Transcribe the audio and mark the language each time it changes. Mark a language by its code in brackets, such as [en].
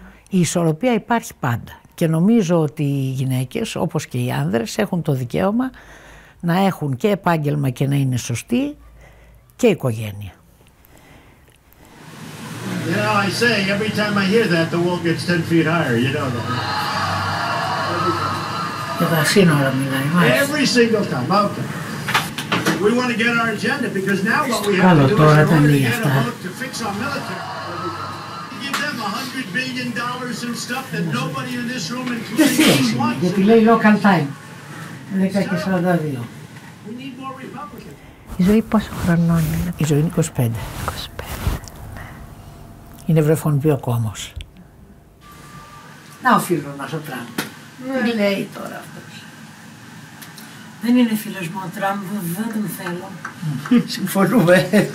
[el] Η ισορροπία υπάρχει πάντα. Και νομίζω ότι οι γυναίκες, όπως και οι άνδρες, έχουν το δικαίωμα να έχουν και επάγγελμα και να είναι σωστοί και οικογένεια. [en] You know, I say, every time I hear that, the wall gets 10 feet higher, you know that. Every single time, okay. We want to get our agenda, because now what we have to do is to get a vote to fix our military. Give them $100 billion and stuff that nobody in this room, including wants. Because it's local time. 10:42. We need more Republicans. How old are you? I'm 25. [el] Είναι βρεφονιπίο κόμος. Να ο φίλος μας ο Τραμπ. Ναι. Τι λέει τώρα αυτός. Δεν είναι φίλος μου ο Τραμπ, δεν τον θέλω. Συμφωνούμε.